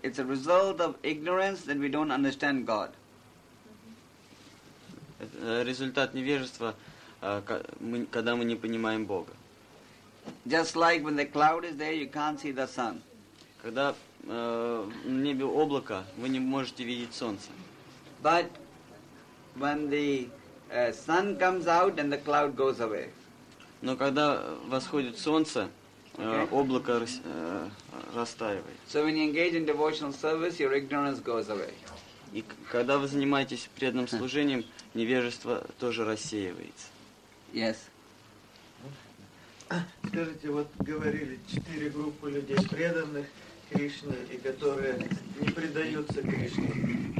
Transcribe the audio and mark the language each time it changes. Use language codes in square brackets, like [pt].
[en] It's a result of ignorance that we don't understand God. [ru] Результат невежества, когда мы не понимаем Бога. [en] Just like when the cloud is there, you can't see the sun. [ru] Когда на небе облако, вы не можете видеть солнце. [en] But when the... sun comes out and the cloud goes away. [ru] Но когда восходит солнце, облако растаивает. [en] So when you engage in devotional service, your ignorance goes away. [ru] И когда вы занимаетесь преданным служением, невежество тоже рассеивается. [en] Yes. [ru] Скажите, вот говорили четыре группы людей преданных Кришне и которые не предаются Кришне.